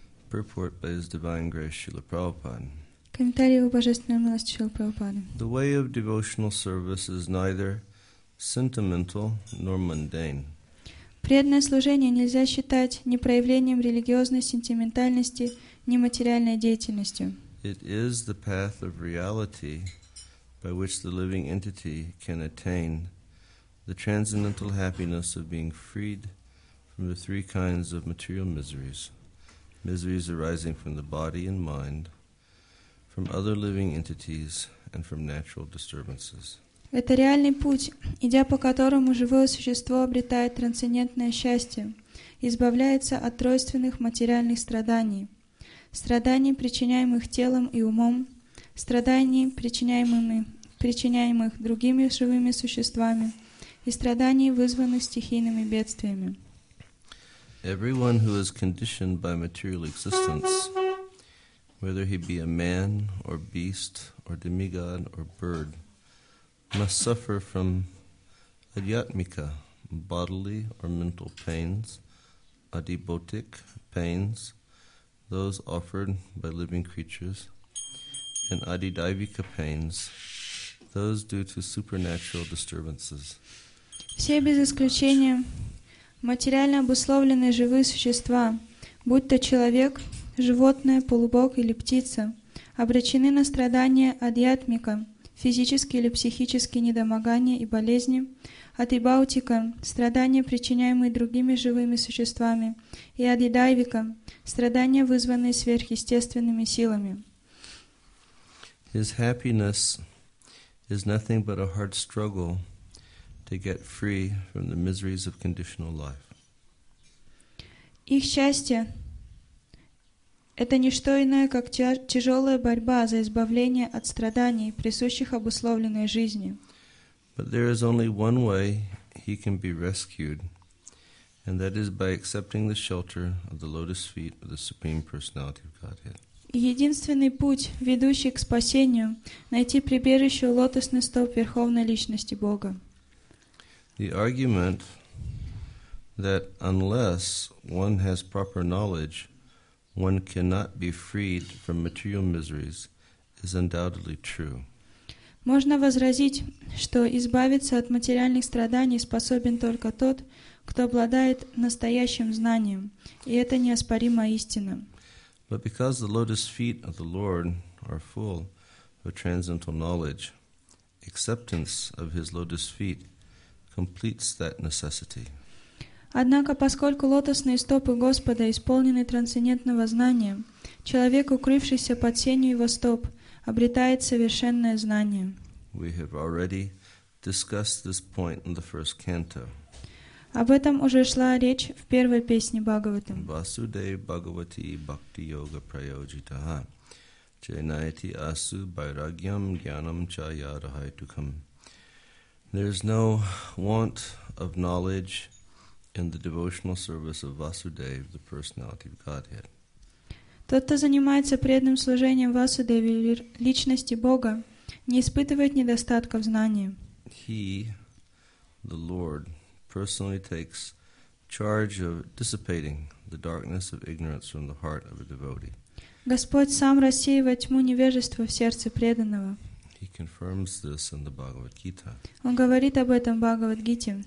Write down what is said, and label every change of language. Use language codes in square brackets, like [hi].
[en] Purport by His Divine Grace Srila Prabhupada. [ru] Комментарий о Божественной милости Шрилы Прабхупады. [en] The way of devotional service is neither sentimental nor mundane. [ru] Преданное служение нельзя считать ни проявлением религиозной сентиментальности, ни материальной деятельностью. [en] It is the path of reality by which the living entity can attain the transcendental happiness of being freed from the three kinds of material miseries. Miseries arising from the body and mind, from other living entities, and from natural disturbances. [ru] Это реальный путь, идя по которому живое существо обретает трансцендентное счастье, избавляется от тройственных материальных страданий. Страданий, причиняемых телом и умом, страданий, причиняемых другими живыми существами, и страданий, вызванных стихийными бедствиями. [en] Everyone who is conditioned by material existence, whether he be a man or beast or demigod or bird, must suffer from adhyatmika, bodily or mental pains, adibhotic pains, those offered by living creatures, and adidaivika pains, those due to supernatural disturbances. [ru] Все без исключения материально обусловленные живые существа, будь то человек, животное, полубог или птица, обречены на страдания адьятмика, физические или психические недомогания и болезни, адибаутика, страдания, причиняемые другими живыми существами, и адидайвика, страдания, вызванные сверхъестественными силами. [en] His happiness is nothing but a hard struggle to get free from the miseries of conditional life. [ru] Их счастье — это не что иное, как тяжелая борьба за избавление от страданий, присущих обусловленной жизни. [en] But there is only one way he can be rescued, and that is by accepting the shelter of the lotus feet of the Supreme Personality of Godhead. [ru] Единственный путь, ведущий к спасению, — найти прибежище у лотосных стоп Верховной Личности Бога. [en] The argument that unless one has proper knowledge, one cannot be freed from material miseries is undoubtedly true. [ru] Можно возразить, что избавиться от материальных страданий способен только тот, кто обладает настоящим знанием, и это неоспоримо истина. [en] But because the lotus feet of the Lord are full of transcendental knowledge, acceptance of his lotus feet completes that necessity. [ru] Однако, поскольку лотосные стопы Господа исполнены трансцендентного знания, человек, укрывшийся под сенью его стоп, обретает совершенное знание. [en] We have already discussed this point in the first canto. [ru] Об этом уже шла речь в первой песне Бхагаватам. [sa] Васудей Бхагавати Бхакти Йога Прайоджитаха Чайнайти Асу Байрагьям Гьянам Чая Рахайтукам. [en] There is no want of knowledge in the devotional service of Vasudeva, the Personality of Godhead. [ru] Тот, кто занимается преданным служением Васудеве, личности Бога, не испытывает недостатка в знании. [en] He, the Lord, personally takes charge of dissipating the darkness of ignorance from the heart of a devotee. [ru] Господь сам рассеивает тьму невежества в сердце преданного. [en] He confirms this in the Bhagavad Gita. [ru] Он говорит об этом в Бхагавад Гите.